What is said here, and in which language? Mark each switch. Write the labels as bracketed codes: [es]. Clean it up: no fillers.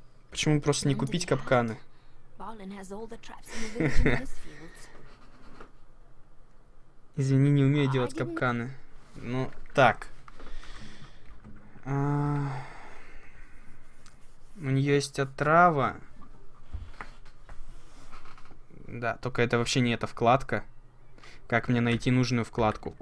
[ru] Почему просто не купить капканы? [en] Barlin has all the traps in the village in his fields. [ru] Извини, не умею делать капканы. Ну, так. У нее есть отрава. Да, только это вообще не эта вкладка. Как мне найти нужную вкладку?